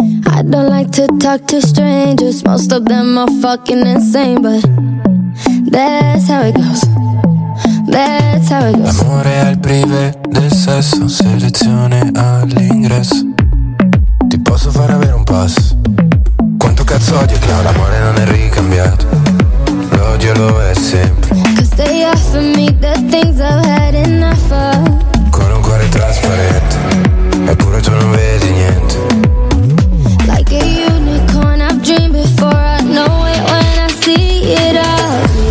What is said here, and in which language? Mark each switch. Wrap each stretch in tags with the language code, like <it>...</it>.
<en>I don't like to talk to strangers, most of them are fucking insane, but that's how it goes. That's how it goes.</en> <it>L'amore al privé del sesso, selezione all'ingresso. Posso far avere un pass? Quanto cazzo odio che ho, l'amore non è ricambiato. L'odio lo è sempre.</it> <en>Cause they offer me the things I've had enough of.</en> <it>Con un cuore trasparente, eppure tu non vedi niente.</it> <en>Like a unicorn I've dreamed before, I know it when I see it all.</en>